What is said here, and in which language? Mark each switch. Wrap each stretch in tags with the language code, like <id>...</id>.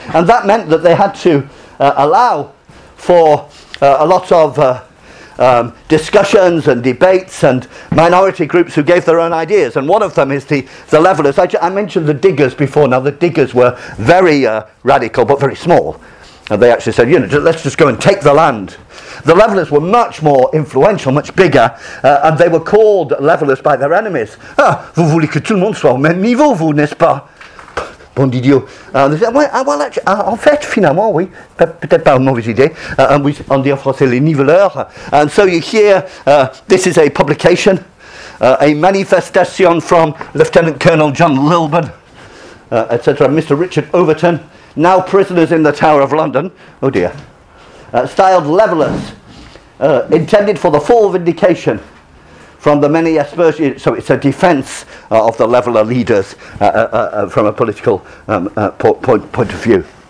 <en>And that meant that they had to allow for a lot of discussions and debates and minority groups who gave their own ideas. And one of them is the levellers. I mentioned the diggers before. Now, the diggers were very radical, but very small. And they actually said, let's just go and take the land. The levellers were much more influential, much bigger, and they were called levellers by their enemies.</en> <fr>Ah, vous voulez que tout le monde soit au même niveau, vous, n'est-ce pas? Bon Dieu.</fr> <en>They said, well, actually,</en> <fr>en fait, finalement, oui, peut-être pas une mauvaise idée.</fr> <en>And we,</en> <fr>on dit en français, les niveleurs.</fr> <en>And so you hear, this is a publication, a manifestation from Lieutenant Colonel John Lilburn, etc. Mr. Richard Overton, now prisoners in the Tower of London, oh dear, styled levellers, intended for the full vindication from the many aspersions, so it's a defence of the leveller leaders from a political point of view.</en>